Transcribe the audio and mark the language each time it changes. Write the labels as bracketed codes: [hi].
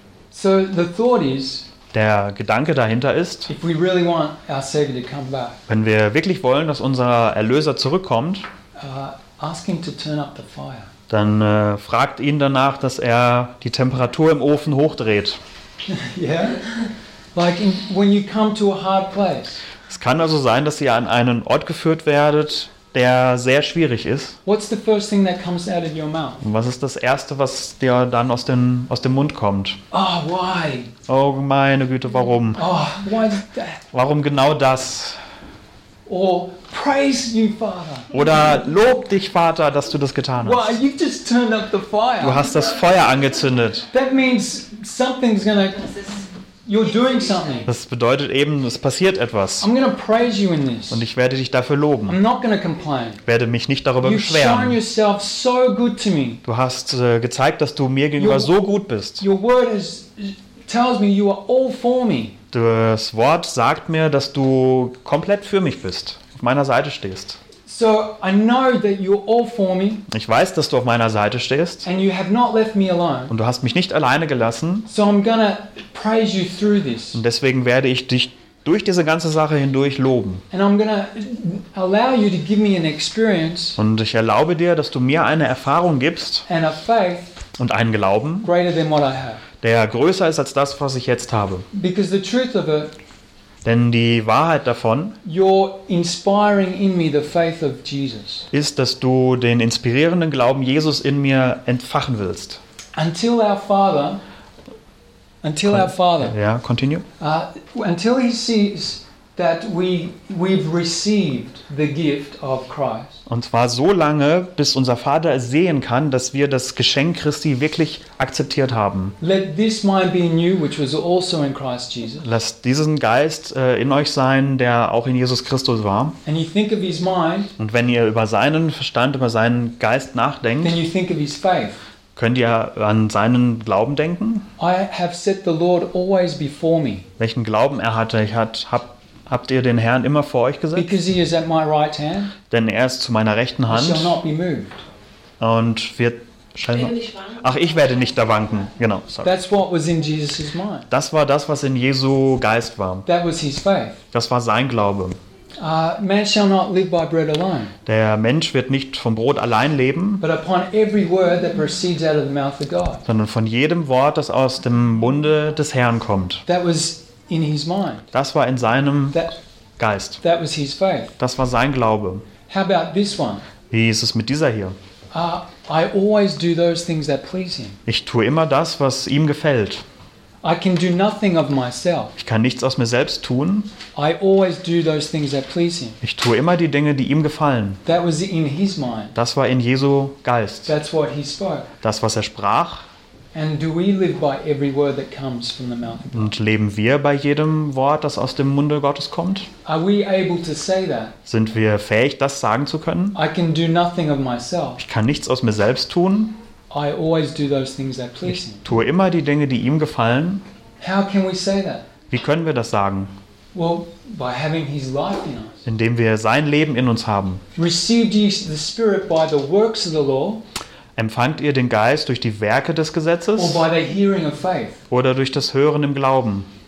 [en] So the thought is, [de] der Gedanke dahinter ist, [en] if we really want our Savior to come back, [de] wenn wir wirklich wollen, dass unser Erlöser zurückkommt, [en] ask him to turn up the fire. [de] Dann fragt ihn danach, dass er die Temperatur im Ofen hochdreht. [en] Yeah? Like in, when you come to a hard place. [de] Es kann also sein, dass ihr an einen Ort geführt werdet, der sehr schwierig ist. [en] What's the first thing that comes out of your mouth? [de] Was ist das Erste, was dir dann aus dem Mund kommt? [en] Oh, why? [de] Oh, meine Güte, warum? [en] Oh, why is that? [de] Warum genau das? [en] Or praise you, Father. [de] Oder lob dich, Vater, dass du das getan hast. [en] Well, you've just turned up the fire. [de] Du hast das Feuer angezündet. [en] That means something's gonna, you're doing something. [de] Das bedeutet eben, es passiert etwas. [en] I'm gonna praise you in this. [de] Und ich werde dich dafür loben. [en] I'm not gonna complain. [de] Werde mich nicht darüber [en] you've [de] beschweren. [en] Shown yourself so good to me. [de] Du hast gezeigt, dass du mir gegenüber so gut bist. [en] Your word is, tells me you are all for me. [de] Das Wort sagt mir, dass du komplett für mich bist, auf meiner Seite stehst. [en] So I know that you're all for me. [de] Ich weiß, dass du auf meiner Seite stehst. [en] And you have not left me alone. [de] Und du hast mich nicht alleine gelassen. [en] So I'm gonna praise you through this. [de] Und deswegen werde ich dich durch diese ganze Sache hindurch loben. [en] And I'm gonna allow you to give me an experience. [de] Und ich erlaube dir, dass du mir eine Erfahrung gibst. [en] And a faith. [de] Und einen Glauben. [en] Greater than what I have. [de] Der größer ist als das, was ich jetzt habe. [en] Because the truth of it, [de] denn die Wahrheit davon, [en] you're inspiring in me the faith of Jesus, [de] ist, dass du den inspirierenden Glauben Jesus in mir entfachen willst. [en] Until our Father, until our Father, yeah, continue. Until he sees that we've received the gift of Christ. [de] Und zwar so lange, bis unser Vater es sehen kann, dass wir das Geschenk Christi wirklich akzeptiert haben. [en] Let this mind be in you, which was also in Christ Jesus. [de] Lasst diesen Geist in euch sein, der auch in Jesus Christus war. [en] And you think of his mind. [de] Und wenn ihr über seinen Verstand, über seinen Geist nachdenkt, [en] then you think of his faith. [de] Könnt ihr an seinen Glauben denken? [en] I have set the Lord always before me. [de] Welchen Glauben er hatte, ich habe habt ihr den Herrn immer vor euch gesetzt? [en] Because he is at my right hand, [de] denn er ist zu meiner rechten Hand. [en] Shall not be moved. [de] Und wird ach, ich werde nicht da wanken. Genau, sorry. [en] That's what was in Jesus' mind. [de] Das war das, was in Jesu Geist war. [en] That was his faith. [de] Das war sein Glaube. [en] Man shall not live by bread alone. [de] Der Mensch wird nicht vom Brot allein leben, [en] but upon every word that proceeds out of the mouth of God. [de] Sondern von jedem Wort, das aus dem Munde des Herrn kommt. [en] That was in his mind. [de] Das war in seinem Geist. [en] That was his faith. [de] Das war sein Glaube. [en] How about this one? [de] Wie ist es mit dieser hier? [en] I always do those things that please him. [de] Ich tue immer das, was ihm gefällt. [en] I can do nothing of myself. [de] Ich kann nichts aus mir selbst tun. [en] I always do those things that please him. [de] Ich tue immer die Dinge, die ihm gefallen. [en] That was in his mind. [de] Das war in Jesu Geist. [en] That's what he spoke. [de] Das, was er sprach. [en] And do we live by every word that comes from the mouth of God? [de] Und leben wir bei jedem Wort, das aus dem Munde Gottes kommt? [en] Are we able to say that? [de] Sind wir fähig, das sagen zu können? [en] I can do nothing of myself. [de] Ich kann nichts aus mir selbst tun. [en] I always do those things that please him. [de] Ich tue immer die Dinge, die ihm gefallen. [en] How can we say that? [de] Wie können wir das sagen? [en] Well, by having his life in us. [de] Indem wir sein Leben in uns haben. [en] Received ye the Spirit by the works of the law. [de] Empfangt ihr den Geist durch die Werke des Gesetzes oder durch das Hören im Glauben?